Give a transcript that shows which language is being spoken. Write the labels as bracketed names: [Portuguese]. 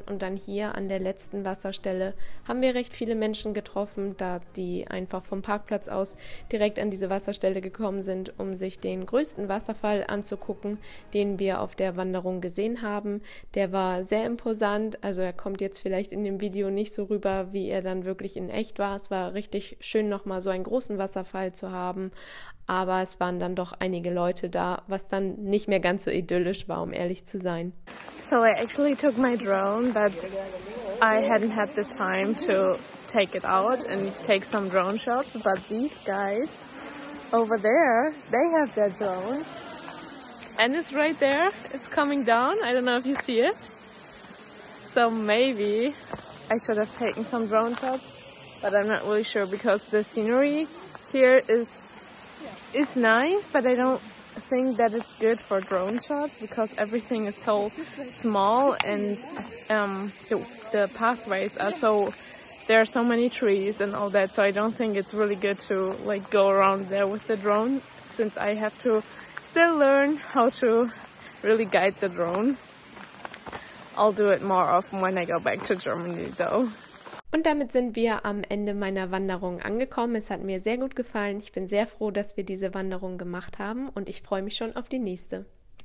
[German] Und dann hier an der letzten Wasserstelle haben wir recht viele Menschen getroffen, da die einfach vom Parkplatz aus direkt an diese Wasserstelle gekommen sind, um sich den größten Wasserfall anzugucken, den wir auf der Wanderung gesehen haben. Der war sehr imposant, also er kommt jetzt vielleicht in dem Video nicht so rüber, wie er dann wirklich in echt war. Es war richtig schön, nochmal so einen großen Wasserfall zu haben. Aber es waren dann doch einige Leute da, was dann nicht mehr ganz so idyllisch war, um ehrlich zu sein. [English] So I actually took my drone, but I hadn't had the time to take it out and take some drone shots. But these guys over there, they have their drone. And it's right there, it's coming down. I don't know if you see it. So maybe I should have taken some drone shots, but I'm not really sure because the scenery here is nice, but I don't think that it's good for drone shots because everything is so small and the pathways are so, there are so many trees and all that, so I don't think it's really good to like go around there with the drone since I have to still learn how to really guide the drone. I'll do it more often when I go back to Germany though. [German] Und damit sind wir am Ende meiner Wanderung angekommen. Es hat mir sehr gut gefallen. Ich bin sehr froh, dass wir diese Wanderung gemacht haben und ich freue mich schon auf die nächste.